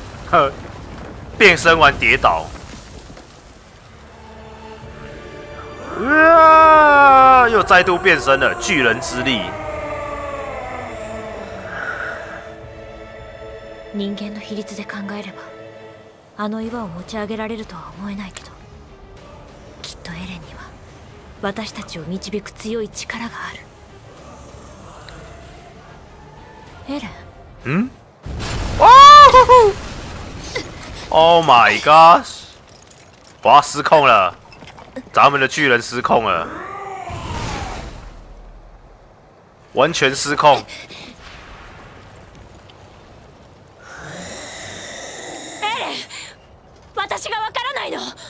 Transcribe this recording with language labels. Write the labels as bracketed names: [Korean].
[Chinese] 哼，变身完跌倒 ，Yeah！又再度变身了，巨人之力。 [Japanese] 人間の比率で考えれば。あの岩を持ち上げられるとは思えないけど、きっとエレンには私たちを導く強い力がある。エレン。ん？あほほ。 [English] Oh my gosh！ [Chinese] 哇，失控了！咱们的巨人失控了，完全失控。 [Japanese] 私がわからないの。